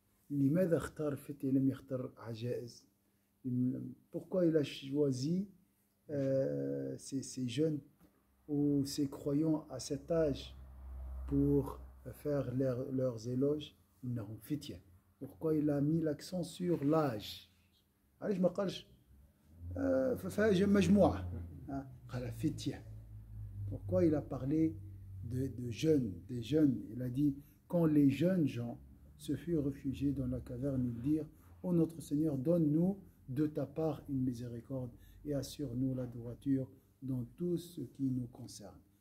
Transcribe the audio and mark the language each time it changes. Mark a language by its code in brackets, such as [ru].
[ar] لماذا اختار الفتية لم يختار عجائز؟ [fr] Pourquoi il a choisi ces jeunes ou ces croyants à cet âge pour faire leurs éloges? Non, فتية. Pourquoi il a mis l'accent sur l'âge? [ar] علاش ما قالش مجموعة؟ قال فتية. [fr] Pourquoi il a parlé de jeunes, des jeunes? Il a dit, quand les jeunes gens se furent réfugiés dans la caverne, ils dirent, ô notre Seigneur, donne-nous de ta part une miséricorde et assure-nous la droiture dans tout ce qui nous concerne.